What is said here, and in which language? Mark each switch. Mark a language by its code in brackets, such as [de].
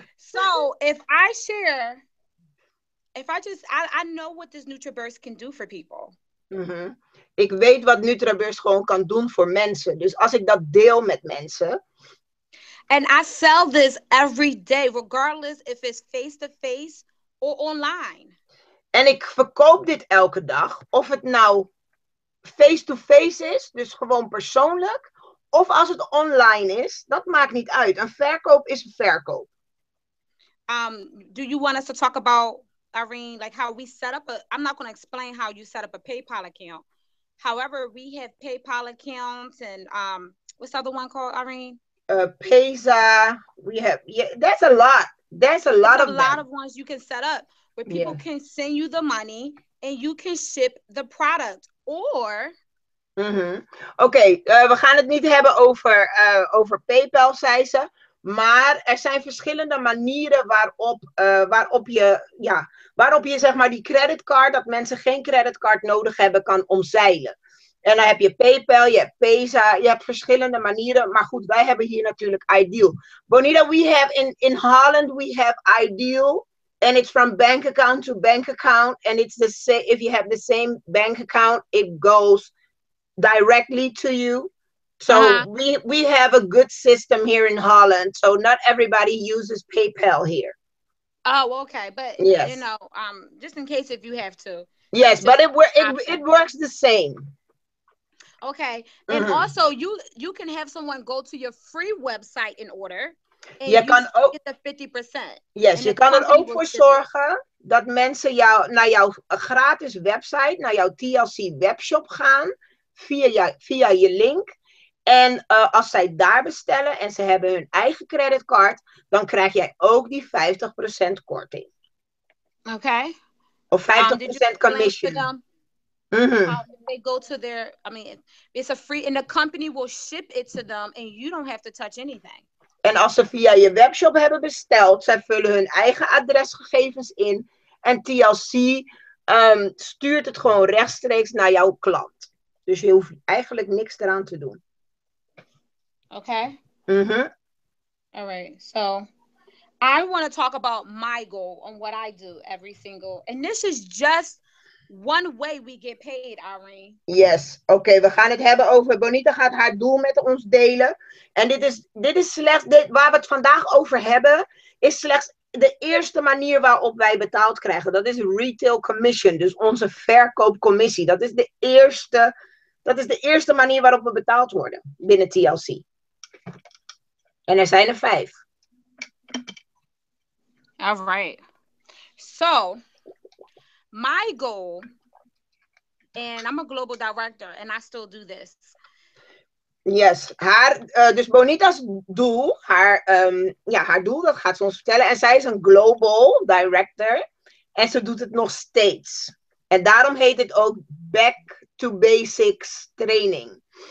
[en] So if I share, if I just, I know what this Nutriburst can do for people. Mm-hmm. [nl] Ik weet wat Nutriburst gewoon kan doen voor mensen. Dus als ik dat deel met mensen. [en] And I sell this every day, regardless if it's face-to-face or online. [nl] En ik verkoop dit elke dag, of het nou face-to-face is, dus gewoon persoonlijk, of als het online is, dat maakt niet uit. Een verkoop is een verkoop. [en] Do you want us to talk about, Irene, like how we set up a, I'm not going to explain how you set up a PayPal account. However, we have PayPal accounts and what's the other one called, Irene? Payza, we have, yeah, that's a lot. That's a lot of a lot of ones you can set up. Where people yeah. can send you the money and you can ship the product or... Mm-hmm. [nl] Okay, we gaan het niet hebben over, over PayPal, zei ze. Maar er zijn verschillende manieren waarop, waarop je, ja, waarop je zeg maar die creditcard, dat mensen geen creditcard nodig hebben, kan omzeilen. En dan heb je PayPal, je hebt Payza, je hebt verschillende manieren. Maar goed, wij hebben hier natuurlijk Ideal. [en] Bonita, we have in Holland, we have Ideal. And it's from bank account to bank account. And it's the same, if you have the same bank account, it goes directly to you. So we have a good system here in Holland. So not everybody uses PayPal here. Oh, okay. But, yes. you know, just in case if you have to. Yes, but it works the same. Okay. And mm-hmm. also, you can have someone go to your free website in order. [nl] Je kan ook, [en] get the 50%. [nl] Yes, je kan er ook voor zorgen dat mensen jou naar jouw gratis website, naar jouw TLC webshop gaan via je link. En als zij daar bestellen en ze hebben hun eigen creditcard, dan krijg jij ook die 50% korting. Oké. [en] Okay. Of 50% commission. Mm-hmm. They go to their, I mean, it's a free, and the company will ship it to them, and you don't have to touch anything. [nl] En als ze via je webshop hebben besteld, zij vullen hun eigen adresgegevens in, en TLC stuurt het gewoon rechtstreeks naar jouw klant. Dus je hoeft eigenlijk niks eraan te doen. Oké. Mm-hmm. [en] All right, so... I want to talk about my goal on what I do every single... And this is just one way we get paid, Irene. Yes. [nl] Okay, we gaan het hebben over... Bonita gaat haar doel met ons delen. En dit is slechts... waar we het vandaag over hebben... is slechts de eerste manier waarop wij betaald krijgen. Dat is retail commission. Dus onze verkoopcommissie. Dat is de eerste manier waarop we betaald worden binnen TLC. En er zijn er 5. [en] All right. So, my goal, and I'm a global director, and I still do this. [nl] Yes, dus Bonita's doel, haar doel, dat gaat ze ons vertellen. En zij is een global director, en ze doet het nog steeds. En daarom heet het ook Back to Basics Training.